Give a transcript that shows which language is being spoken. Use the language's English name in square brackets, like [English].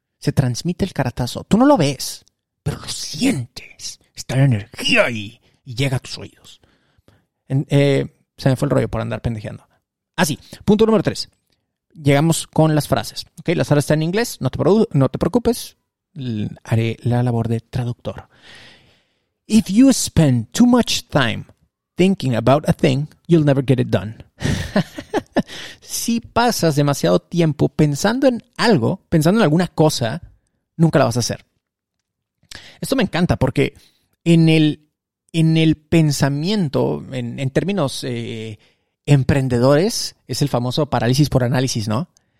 [Spanish] Se transmite el caratazo. Tú no lo ves, pero lo sientes. Está la energía ahí y llega a tus oídos. Se me fue el rollo por andar pendejeando. Así, punto número 3. Llegamos con las frases. ¿Okay? Las frases están en inglés. No te preocupes. Haré la labor de traductor. [English] If you spend too much time thinking about a thing, you'll never get it done. [Spanish] Si pasas demasiado tiempo pensando en algo, pensando en alguna cosa, nunca la vas a hacer. Esto me encanta porque en el pensamiento, en términos emprendedores, es el famoso parálisis por análisis, ¿no?